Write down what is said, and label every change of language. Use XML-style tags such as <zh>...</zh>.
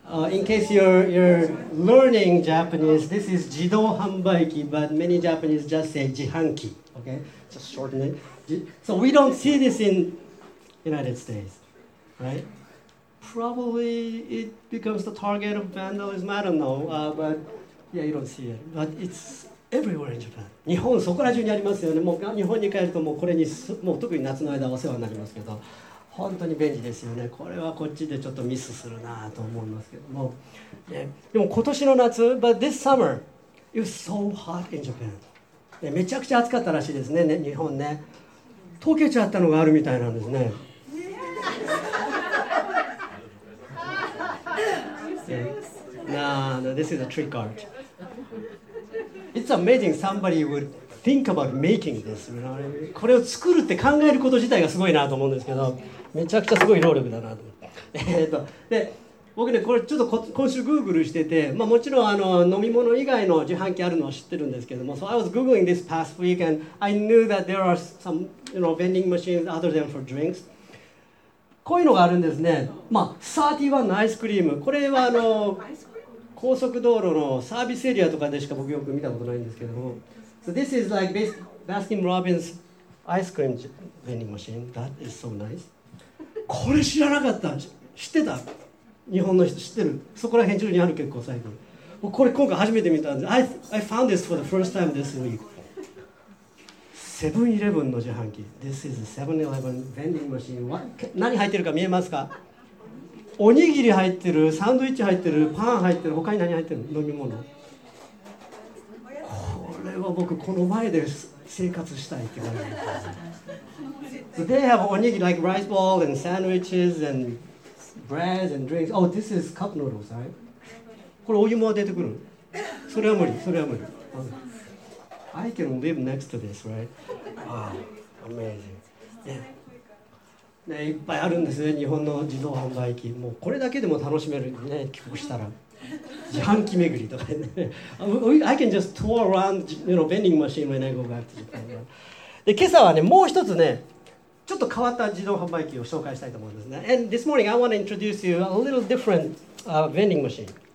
<en>In case you're learning Japanese, this is 自動販売機, but many Japanese just say 自販機. Okay, just shorten it. So we don't see this in United States, right? Probably it becomes the target of vandalism, I don't know, but yeah, you don't see it. But it's... Everywhere in Japan.</en> <ja>日本そこら中にありますよね。もう日本に帰るともうこれにもう特に夏の間お世話になりますけど、本当に便利ですよね。これはこっちでちょっとミスするなと思いますけども、でも今年の夏、</ja> <en>But this summer, it was so hot in Japan.</en> <ja>めちゃくちゃ暑かったらしいですね。ね、日本ね、溶けちゃったのがあるみたいなんですね。</ja> <en>No, this is a trick art. It's amazing somebody would think about making this. You know?</en> <ja>これを作るって考えること自体がすごいなと思うんですけど、めちゃくちゃすごい労力だなと思って。で、僕ね、これちょっと今週 Google してて、まあ、もちろんあの飲み物以外の自販機あるのは知ってるんですけども、</ja> <en>So I was Googling this past week and I knew that there are some, you know, vending machines other than for drinks.</en> <ja>こういうのがあるんですね。まあ、31のアイスクリーム。これはあの、高速道路のサービスエリアとかでしか僕よく見たことないんですけども、</ja> <en>So this is like Baskin Robbins ice cream vending machine. That is so nice.</en> <ja>これ知らなかった。知ってた？日本の人知ってる？そこら辺中にある結構最近。これ今回初めて見たんです。</ja> <en>I found this for the first time this week.</en> <ja>セブンイレブンの自販機。</ja> <en>This is a 7-Eleven vending machine. What?</en> <ja>何入ってるか見えますか？おにぎり入ってる、サンドイッチ入ってる、パン入ってる、他に何入ってる？飲み物。これは僕この前で生活したいって感じです。</ja> <en>They have おにぎり like rice ball and sandwiches and bread and drinks. Oh, this is cup noodles, right?</en> <ja>これお湯も出てくる。それは無理、それは無理。</ja> <en>I can live next to this, right? Wow, amazing. Yeah.</en> <ja>ね、いっぱいあるんですね、日本の自動販売機。もうこれだけでも楽しめるね、帰国したら。自販機巡りとかね。</ja> <en>I can just tour around, you know, vending machine when I go back to Japan.</en> <ja>で、今朝はね、もう一つね、ちょっと変わった自動販売機を紹介したいと思うんですね。</ja> <en>And this morning I want to introduce you a little different, vending machine.</en>